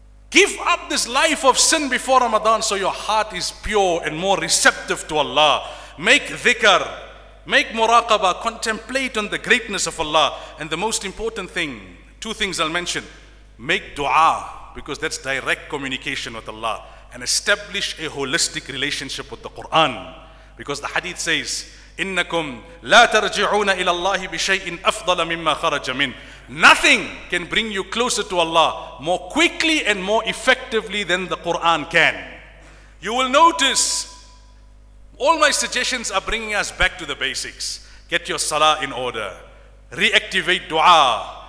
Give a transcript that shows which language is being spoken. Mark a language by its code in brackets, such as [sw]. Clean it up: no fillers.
[en] Give up this life of sin before Ramadan so your heart is pure and more receptive to Allah. Make dhikr, make muraqabah, contemplate on the greatness of Allah. And the most important thing, two things I'll mention. Make dua, because that's direct communication with Allah. And establish a holistic relationship with the Quran. Because the hadith says, [ar] إِنَّكُمْ لَا تَرْجِعُونَ إِلَى اللَّهِ بِشَيْءٍ أَفْضَلَ مِمَّا خَرَجَ مِنْ. [en] Nothing can bring you closer to Allah more quickly and more effectively than the Quran can. You will notice, all my suggestions are bringing us back to the basics. Get your salah in order. Reactivate dua.